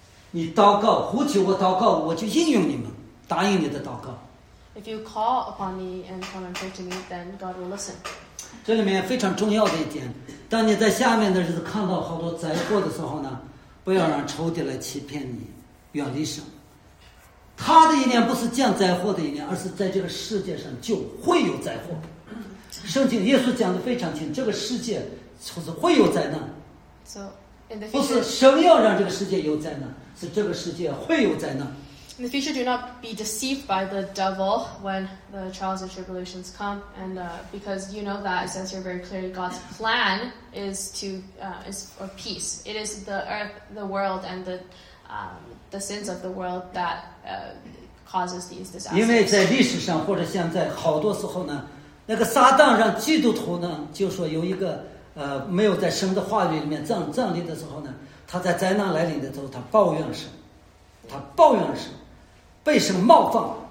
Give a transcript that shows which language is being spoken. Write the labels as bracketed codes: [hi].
[zh] 你祷告，呼求我祷告，我就应允你们，答应你的祷告。 [en] If you call upon me and come and pray to me, then God will listen. [zh] 这里面非常重要的一点，当你在下面的日子看到好多灾祸的时候呢，不要让仇敌来欺骗你，远离神。他的意念不是降灾祸的意念，而是在这个世界上就会有灾祸。圣经耶稣讲的非常清，这个世界就是会有灾难。 [en] So, in the future, [zh] 不是神要让这个世界有灾难，是这个世界会有灾难。 [en] In the future, do not be deceived by the devil when the trials and tribulations come, and because you know that, since you're very clear, God's plan is to is for peace. It is the earth, the world, and the sins of the world that causes these disasters. [zh] 因为在历史上或者现在，好多时候呢。那个撒旦让基督徒呢，就说有一个没有在神的话语里面站立的时候呢，他在灾难来临的时候，他抱怨神，被神冒犯。